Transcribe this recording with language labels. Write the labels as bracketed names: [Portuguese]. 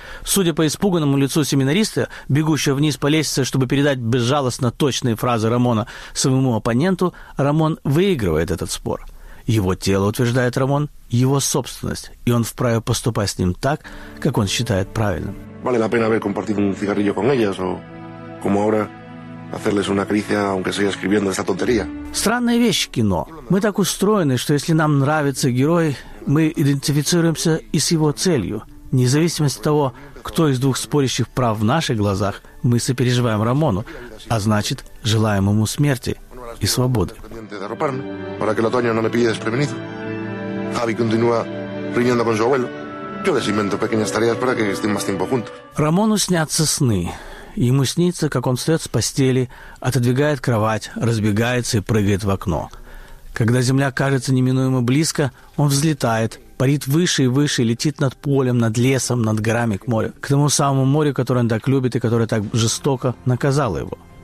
[Russian] Судя по испуганному лицу семинариста, бегущего вниз по лестнице, чтобы передать безжалостно точные фразы Рамона своему оппоненту, Рамон выигрывает этот спор. Его тело, утверждает Рамон, его собственность, и он вправе поступать с ним так, как он считает правильным. [Spanish] Vale la pena haber compartido un cigarrillo con ellas o como ahora hacerles una caricia, aunque siga escribiendo esa tontería. [Russian] Странная вещь кино. Мы так устроены, что если нам нравится герой, мы идентифицируемся и с его целью. Независимо от того, кто из двух спорящих прав в наших глазах, мы сопереживаем Рамону, а значит, желаем ему смерти и свободы. [Spanish] Para que el otoño no me pille desprevenido. Javi continúa riñendo con su abuelo. Yo les invento pequeñas tareas para que estén más tiempo juntos. [Russian] Рамону снятся сны. Ему снится, как он встает с постели, отодвигает кровать, разбегается и прыгает в окно. Когда земля кажется неминуемо близко, он взлетает, парит выше и выше, летит над полем, над лесом, над горами к морю. К тому самому морю, которое он так любит и которое так жестоко наказало его.